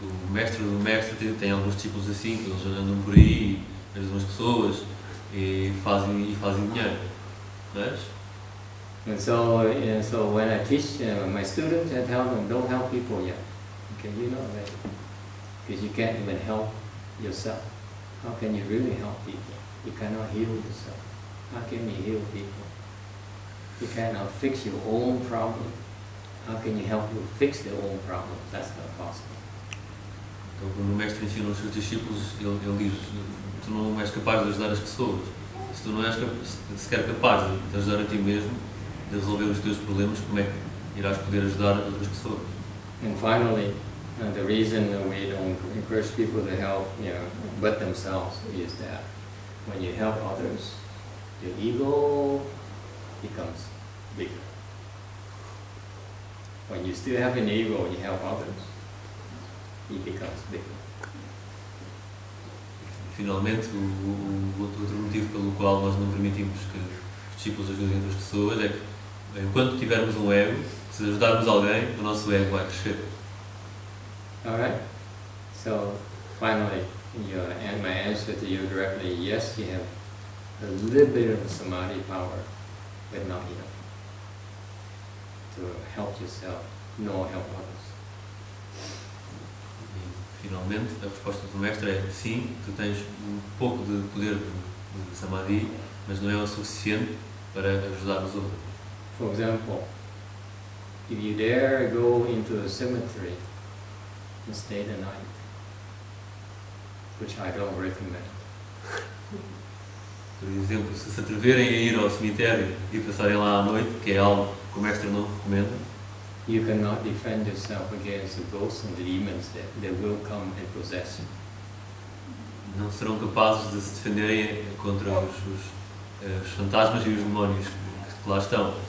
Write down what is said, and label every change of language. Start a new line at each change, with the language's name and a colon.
Portuguese: O mestre do mestre tem alguns discípulos assim, que eles andam por aí, ajudam as pessoas e fazem dinheiro. Mas?
English: And so when I teach my students, I tell them, don't help people yet. Okay, you know that. Because you can't even help yourself. How can you really help people? You cannot heal yourself. How can you heal people? You cannot fix your own problem. How can you help you fix their own problem? That's not possible.
Portuguese: Então, quando o mestre ensina aos seus discípulos, ele diz, tu não és capaz de ajudar as pessoas. Se tu não és sequer capaz de ajudar a ti mesmo, de resolver os teus problemas, como é que irás poder ajudar outras pessoas?
English: And finally, the reason that we don't encourage people to help, but themselves, is that when you help others, your ego becomes bigger. When you still have an ego, you help others, it becomes bigger.
Portuguese: Finalmente, outro motivo pelo qual nós não permitimos que os discípulos ajudem outras pessoas é que enquanto tivermos um ego, se ajudarmos alguém, o nosso ego vai crescer.
English: Alright. So, finally, my answer to you directly, yes, you have a little bit of samadhi power, but not enough to help yourself, nor help others.
Portuguese: E, finalmente, a resposta do mestre é sim, tu tens um pouco de poder de samadhi, mas não é o suficiente para ajudar os outros.
English: For example, if you dare go into a cemetery and stay the night, which I don't recommend.
Portuguese: Por exemplo, se atreverem a ir ao cemitério e passarem lá à noite, que é algo que o mestre não recomenda,
English: you cannot defend yourself against the ghosts and the demons that will come and possess you.
Portuguese: Não serão capazes de se defenderem contra os fantasmas e os demónios que lá estão.